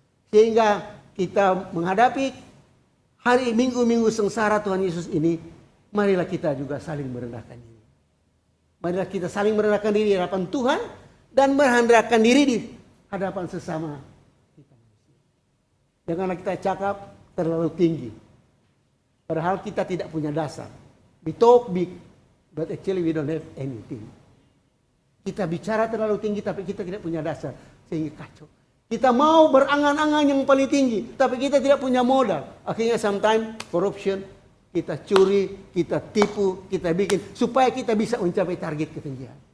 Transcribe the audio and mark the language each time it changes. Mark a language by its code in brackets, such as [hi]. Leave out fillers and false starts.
[id] Sehingga kita menghadapi hari minggu-minggu sengsara Tuhan Yesus ini, marilah kita juga saling merendahkan diri. Marilah kita saling merendahkan diri di hadapan Tuhan dan merendahkan diri di hadapan sesama kita. Janganlah kita cakap terlalu tinggi. Padahal kita tidak punya dasar. [en] We talk big, but actually we don't have anything. [id] Kita bicara terlalu tinggi, tapi kita tidak punya dasar. Sehingga kacau. Kita mau berangan-angan yang paling tinggi, tapi kita tidak punya modal. Akhirnya [en] sometimes corruption. [id] Kita curi, kita tipu, kita bikin supaya kita bisa mencapai target ketinggian.